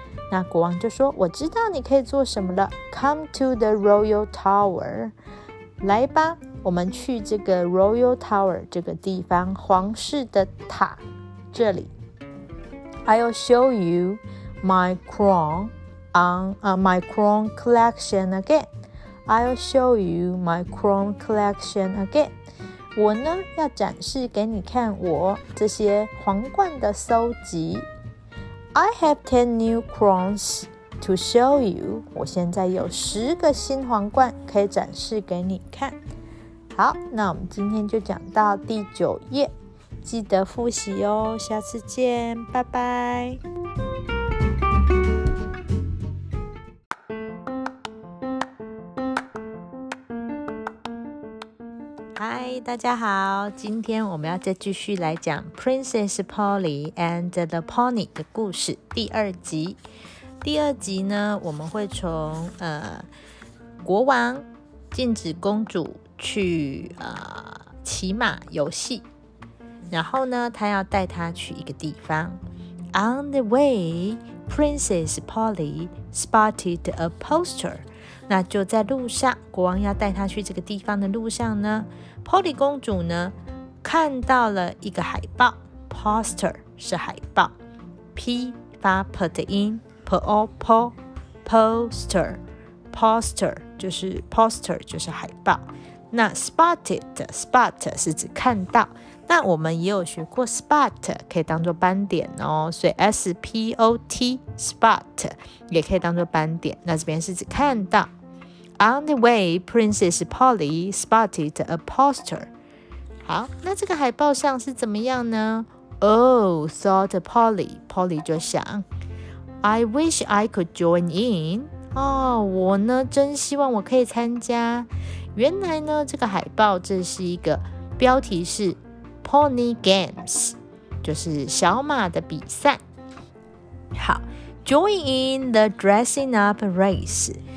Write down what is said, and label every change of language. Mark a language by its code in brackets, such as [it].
[zh] 那国王就说，我知道你可以做什么了。 [en] Come to the royal tower. [zh] 来吧，我们去这个 Royal Tower 这个地方，皇室的塔这里。 [en] I'll show you my crown my crown collection again. I'll show you my crown collection again. [zh] 我呢要展示给你看我这些皇冠的收集。 [en] I have 10 new crowns to show you. [zh] 我现在有十个新皇冠可以展示给你看。好，那我们今天就讲到第九页，记得复习哦，下次见，拜拜。嗨，大家好，今天我们要再继续来讲 Princess Polly and the Pony 的故事第二集。第二集呢，我们会从国王禁止公主去骑马游戏，然后呢他要带她去一个地方。 [en] On the way, Princess Polly spotted a poster. [zh] 那就在路上，国王要带她去这个地方的路上呢， Polly 公主呢看到了一个海报。 Poster 是海报， P 发 P 的音， Poster Poster 就是 Poster 就是海报。那 spot 是指看到，那我们也有学过 spot 可以当作斑点哦，所以 spot spot 也可以当作斑点，那这边是指看到。 [en] On the way, Princess Polly spotted a poster. [zh] 好，那这个海报上是怎么样呢？ [en] Oh, thought Polly. Polly [zh] 就想， [en] I wish I could join in. [zh] 哦，我呢真希望我可以参加。原来呢，这个海报这是一个标题是 Pony Games， 就是小马的比赛。 [en] 好， Join in the dressing up race。